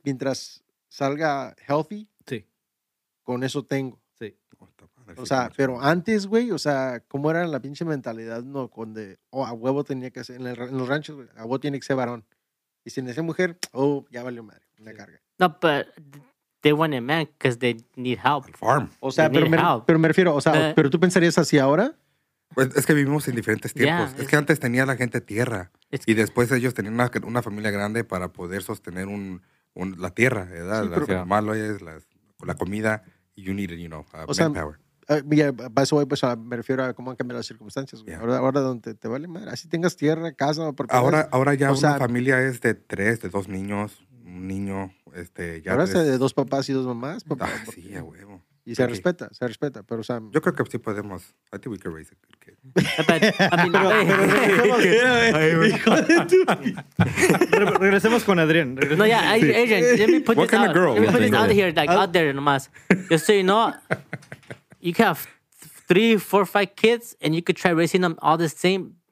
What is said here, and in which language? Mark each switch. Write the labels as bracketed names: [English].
[Spanish] Mientras salga healthy, sí. Con eso tengo. Sí. O sea, pero antes, güey, o sea, ¿cómo era la pinche mentalidad, no? Cuando, a huevo tenía que ser, en los ranchos, güey, a huevo tiene que ser varón. Y si nació mujer, ya valió madre, una carga. [English] No, but they want a man because they need help. On farm. [Spanish] O sea, pero me refiero, o sea, ¿pero tú pensarías así ahora? Pues es que vivimos en diferentes tiempos. Yeah, es que antes tenía la gente tierra. Y después ellos tenían una familia grande para poder sostener la tierra, ¿verdad? Sí, las animales, la comida, [English] you need it, you know, manpower. [Spanish] Sea, me refiero a cómo han cambiado las circunstancias. Ahora donde te vale madre. Así tengas tierra, casa. Ahora ya una familia es de tres, de dos niños, un niño. ya ahora de dos papás y dos mamás, papá. Ah, sí, a huevo. Y okay. se respeta, pero o sea... Yo creo que sí podemos... [English] I think we can raise a good kid. [Spanish] Regresemos con Adrián. No, ya, [English] yeah, Adrián, sí. Let me put what this out. What kind of girl? Let me put this out here, like, out there nomás. Just so you know, you can have 3, 4, 5 kids, and you could try raising them all the same.